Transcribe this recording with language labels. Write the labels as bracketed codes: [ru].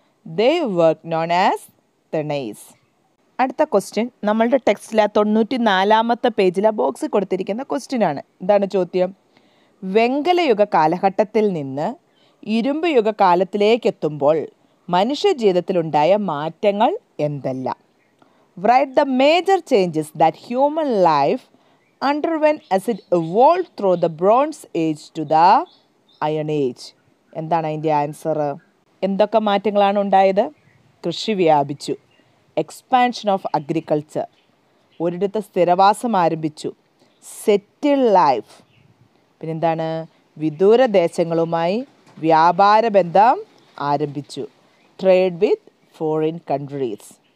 [en] They work known as തിണൈസ്. [ml] അടുത്ത question നമ്മളുടെ ടെക്സ്റ്റിലെ 94-ാമത്തെ പേജിലെ ബോക്സിൽ കൊടുത്തിരിക്കുന്ന ക്വസ്റ്റ്യനാണ്. എന്താണ് ചോദ്യം? വെങ്കലയുഗ കാലഘട്ടത്തിൽ നിന്ന് ഇരുമ്പ് യുഗ കാലത്തിലേക്ക് എത്തുമ്പോൾ മനുഷ്യജീവിതത്തിലുണ്ടായ മാറ്റങ്ങൾ എന്തെല്ലാം? [en] Write the major changes that human life underwent as it evolved through the Bronze Age to the Iron Age. [ml] എന്താണ് അതിൻ്റെ ആൻസർ? എന്തൊക്കെ മാറ്റങ്ങളാണ് ഉണ്ടായത്? കൃഷി വ്യാപിച്ചു, [en] expansion of agriculture, [ml] ഒരിടത്ത് സ്ഥിരവാസം ആരംഭിച്ചു, [en] settled life, [ml] പിന്നെന്താണ്, വിദൂര ദേശങ്ങളുമായി വ്യാപാര ബന്ധം ആരംഭിച്ചു, [en] Trade with foreign countries.